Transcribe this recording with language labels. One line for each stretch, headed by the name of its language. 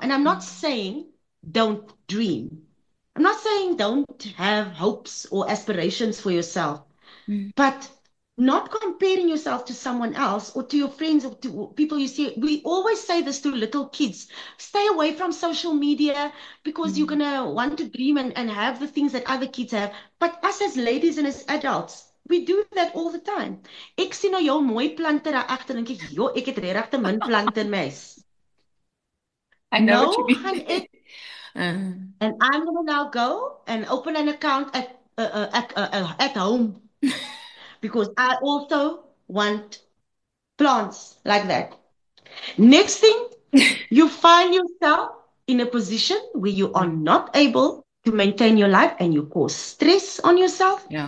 English: And I'm not saying don't dream. I'm not saying don't have hopes or aspirations for yourself, but not comparing yourself to someone else or to your friends or to people you see. We always say this to little kids. Stay away from social media because you're gonna want to dream and have the things that other kids have. But us as ladies and as adults, we do that all the time.
Afrikaans: Ek sien nou jou mooi plante daar agter, dink ek, "Jo, ek het regtig min plante, mes."
English: I know what No, you hon, ek mean. And I'm gonna now go and open an account at home because I also want plants like that. Next thing, you find yourself in a position where you are not able to maintain your life and you cause stress on yourself.